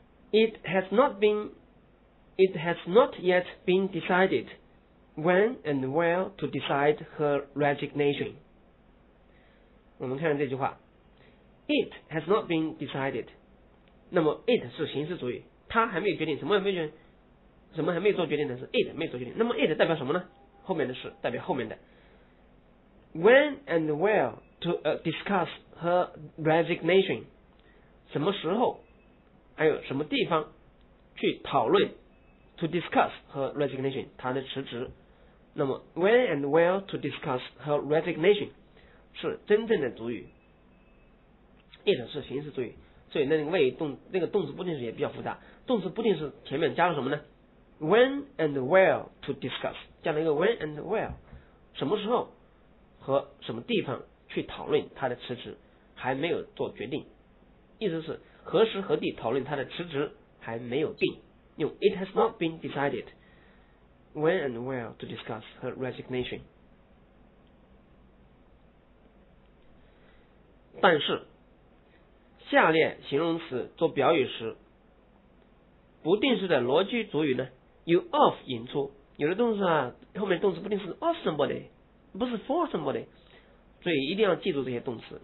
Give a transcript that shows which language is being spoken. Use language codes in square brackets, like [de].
[en] It has not yet been decided when and where to decide her resignation。我们看看这句话， It has not been decided。 [zh] 那么 it 是形式主语，他还没有决定，什么还没决定，什么还没做决定的是 it 没做决定。那么 it 代表什么呢？后面的是代表后面的。 [en] When and where to discuss her resignation，什么时候还有什么地方去讨论 to discuss her resignation， 他的辞职。 [zh] 那么 when and where to discuss her resignation 是真正的主语，it 是形式主语，所以那个谓语动那个动词不定式也比较复杂。动词不定式前面加了什么呢？ When and where to discuss， 加了加了一个 when and where， 什么时候和什么地方去讨论他的辞职，还没有做决定。 [en] 意思是何时何地讨论他的辞职还没有定，用 it has not been decided when and where to discuss her resignation。 [zh] 但是下列形容词做表语时，不定式的逻辑主语呢，由 of 引出。有的动词啊，后面动词不定是 of somebody，不是 for somebody，所以一定要记住这些动词。